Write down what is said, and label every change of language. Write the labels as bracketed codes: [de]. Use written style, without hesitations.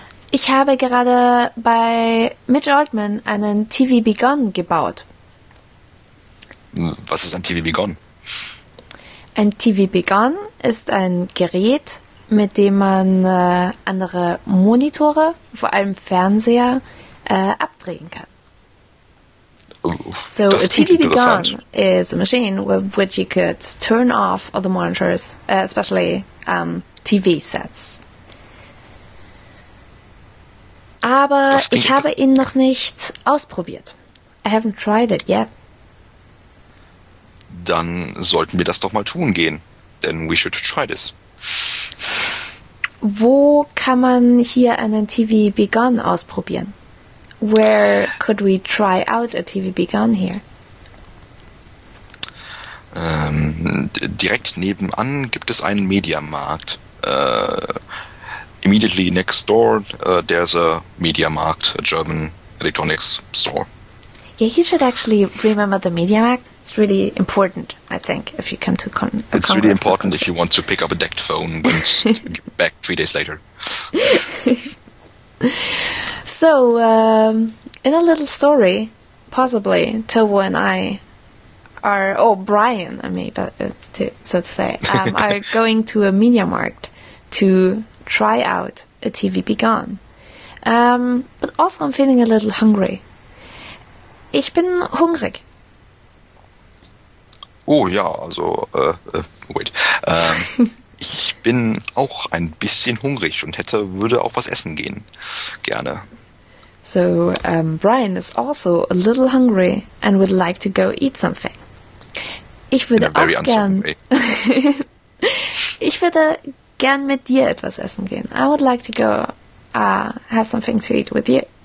[de] Ich habe gerade bei Mitch Altman einen TV Begun gebaut. Was ist ein TV Begun? Ein TV Begun ist ein Gerät, mit dem man andere Monitore, vor allem Fernseher, abdrehen kann. So das [en] a TV Begun is a machine with which you could turn off other monitors, especially TV sets. [de] Aber ich habe ihn noch nicht ausprobiert. [en] I haven't tried it yet. [de] Dann sollten wir das doch mal tun gehen. [en] Then we should try this. [de] Wo kann man hier einen TV Begun ausprobieren? [en] Where could we try out a TV Begun here? [de] Direkt nebenan gibt es einen Mediamarkt. [en] Immediately next door, there's a Mediamarkt, a German electronics store. Yeah, you should actually remember the Mediamarkt. It's really important, I think, if you come to It's really important if you want to pick up a decked phone and back 3 days later. So, in a little story, possibly, Tovo and I are, or Brian and me, but so to say, are going to a Mediamarkt to try out a TV Begun. But also I'm feeling a little hungry. [de] Ich bin hungrig. Oh ja, also, [en] wait. [de] ich bin auch ein bisschen hungrig und würde auch was essen gehen. Gerne. [en] So, Brian is also a little hungry and would like to go eat something. [de] Ich würde auch gern... ich würde gern mit dir etwas essen gehen. [en] I would like to go have something to eat with you.